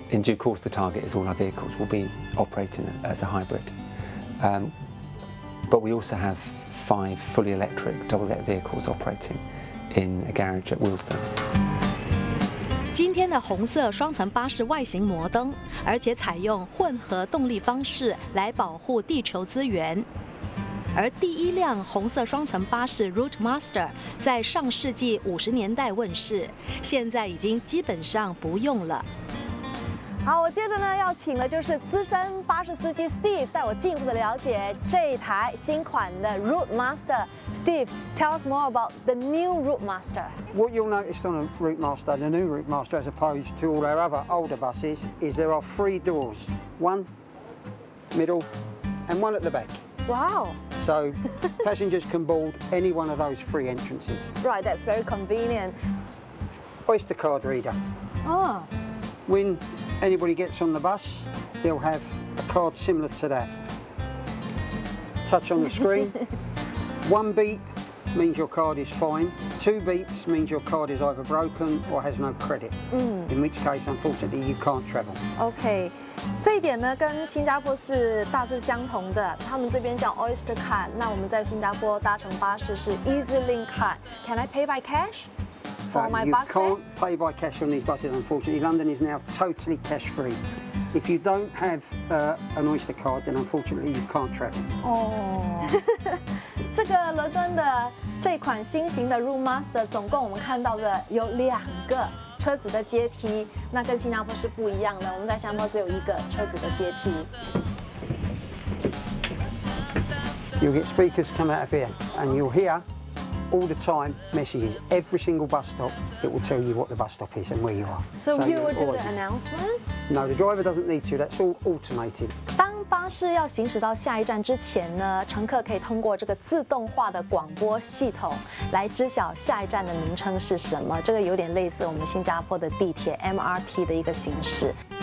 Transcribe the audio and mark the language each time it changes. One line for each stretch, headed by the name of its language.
English: In due course, the target is all our vehicles will be operating as a hybrid. But we also have 5 fully electric double-deck vehicles operating in a garage at Willesden.
Chinese: 今天的红色双层巴士外形摩登，而且采用混合动力方式来保护地球资源。而第一辆红色双层巴士 Route Master 在上世纪50年代问世，现在已经基本上不用了。好，我接着呢要请的就是资深巴士司机 Steve 带我进一步的了解这一台新款的 Route Master。
English: Steve, tell us more about the new Route Master. What you'll notice on a Route Master, the new Route Master as opposed to all our other older buses, is there are 3 doors, one middle and one at the back. Wow. So passengers can board any one of those 3 entrances. Right, that's very convenient. Oyster card reader. Oh. When anybody gets on the bus, they'll have a card similar to that. Touch on the screen. 1 beep means your card is fine. 2 beeps means your card is either broken or has no credit. In which case, unfortunately, you can't travel. Okay.
Chinese: 这一点呢跟新加坡是大致相同的，他们这边叫 Oyster card， 那我们在新加坡搭乘巴士是 EasyLink card.
English: Can I pay by cash? You can't pay by cash on these buses, unfortunately. London is now totally cash free. If you don't have an Oyster card, then unfortunately you can't travel.
Chinese: Oh, 这个伦敦的这款新型的 Route Master 总共我们看到的有2个车子的阶梯，那跟新加坡是不一样的。我们在新加坡只有1个车子的阶梯。
English: You'll get speakers come out of here, and you'll hear all the time messages. Every single bus stop, it will tell you what the bus stop is and where you are. So you will do the announcement? No, the driver doesn't need to. That's all automated.
Chinese: 巴士要行驶到下一站之前呢，乘客可以通过这个自动化的广播系统来知晓下一站的名称是什么。这个有点类似我们新加坡的地铁 MRT 的一个形式。